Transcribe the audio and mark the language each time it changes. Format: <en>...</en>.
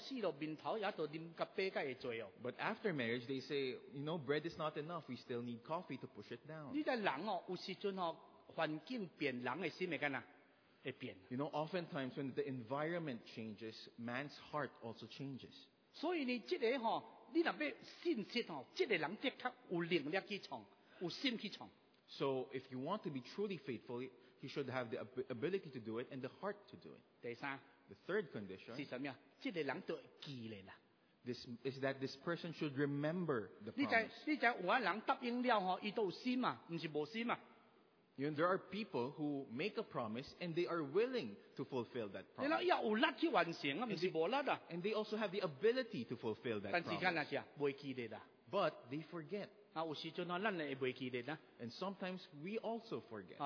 <en>but after marriage, they say, you know, bread is not enough. We still need coffee to push it down.</en> <zh>你的人哦, 有时候哦, 环境变, 人的心会怎样?</zh> <en>You know, oftentimes when the environment changes, man's heart also changes.</en> <zh>所以你这个哦, 你若要信心哦, 这个人的确有能力去创, 有心去创。</zh> <en>So if you want to be truly faithful, he should have the ability to do it and the heart to do it.</en> <zh>第三,</zh> <en>the third condition</en> <zh>是什么?这个人就会记得了。</zh> <en>This is that this person should remember the promise.</en> <zh>你知道有的人答应了, 他都有心啊, 不是没心啊。</zh> <en>You know, there are people who make a promise and they are willing to fulfill that promise. And they also have the ability to fulfill that promise. But they forget. And sometimes we also forget.</en>